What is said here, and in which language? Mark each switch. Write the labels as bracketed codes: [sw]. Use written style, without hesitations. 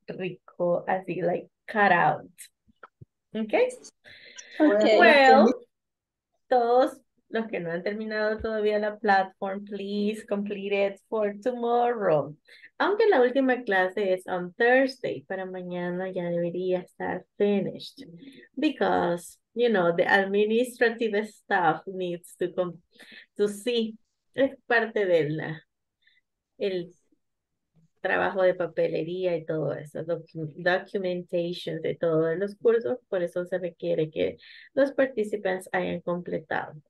[es] Rico, así, [en] like, cut out. [es] ¿Ok? Well, todos los que no han terminado todavía la platform, [en] please complete it for tomorrow. [es] Aunque la última clase es [en] on Thursday, [es] para mañana ya debería estar finished. [en] Because, you know, the administrative staff needs to see. [es] Es parte del el trabajo de papelería y todo eso, documentation de todos los cursos. Por eso se requiere que los participants hayan completado.